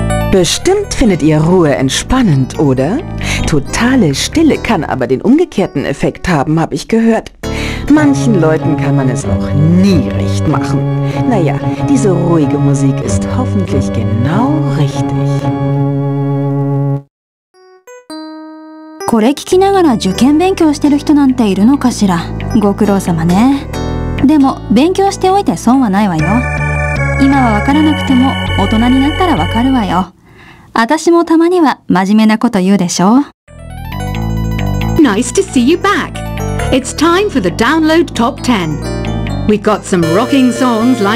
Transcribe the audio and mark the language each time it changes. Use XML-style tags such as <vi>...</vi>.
<de>Bestimmt findet ihr Ruhe entspannend, oder? Totale Stille kann aber den umgekehrten Effekt haben, habe ich gehört. Manchen Leuten kann man es noch nie recht machen. Naja, diese ruhige Musik ist hoffentlich genau richtig.</de> <ja>これ聞きながら受験勉強してる人なんているのかしら。ご苦労様ね。でも勉強しておいて損はないわよ。今はわからなくても大人になったらわかるわよ。私もたまには真面目なこと言うでしょ。</ja> <en>Nice to see you back. It's time for the download top 10. We've got some rocking songs lined up.</en>